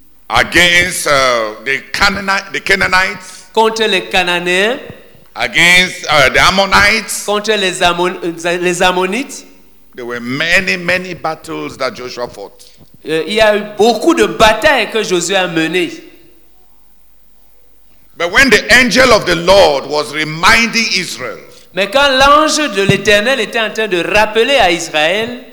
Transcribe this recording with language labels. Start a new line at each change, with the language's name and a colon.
English: against the Canaanites,
French: contre les Cananéens,
English: against the Ammonites,
French: contre les Ammonites,
English: there were many battles that Joshua fought.
French: Il y a eu beaucoup de batailles que Josué a menées.
English: But when the angel of the Lord was reminding Israel,
French: mais quand l'ange de l'Éternel était en train de rappeler à Israël,